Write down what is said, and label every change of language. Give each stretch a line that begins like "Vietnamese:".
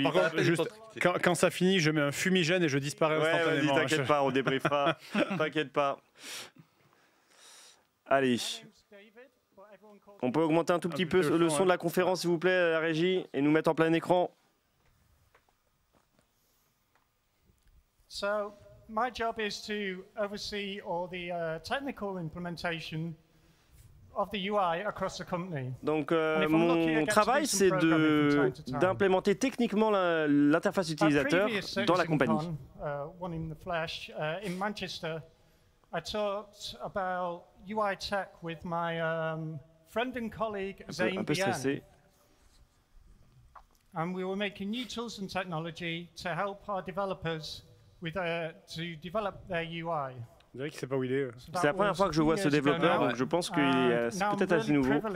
French: Par contre, quand ça finit, je mets un fumigène et je disparais instantanément. Ouais, t'inquiète pas, on débriefera. T'inquiète pas. Allez. On peut augmenter un tout petit peu le son de la conférence, s'il vous plaît, la régie, et nous mettre en plein écran.
English: So, my job is to oversee all the technical implementation of the UI across the company.
French: Donc mon travail, c'est d'implémenter techniquement l'interface utilisateur dans la compagnie.
English: One in the flesh in Manchester, I talked about UI tech with my friend and colleague Zane Bien. And we were making new tools and technology to help our developers to develop their UI.
French: Je dirais qu'il sait pas où il est. C'est la première fois que je vois ce développeur, donc je pense qu'il est peut-être assez nouveau.